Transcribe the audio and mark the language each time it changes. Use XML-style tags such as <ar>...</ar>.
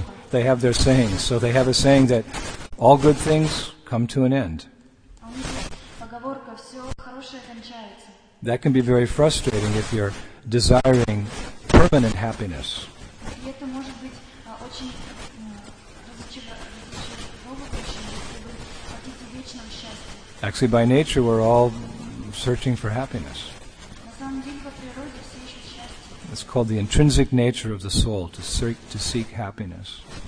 <en>They have their sayings. So they have a saying that all good things come to an end.</en> <ru>порока, все хорошее кончается.</ru> <en>That can be very frustrating if you're desiring permanent happiness.</en> <ru>И это может быть очень разочаровывающим, если вы хотите вечного счастья.</ru> <en>Actually, by nature, we're all searching for happiness.</en> <ru>На самом деле, по природе все ищут счастье.</ru> <en>It's called the intrinsic nature of the soul to seek happiness.</en>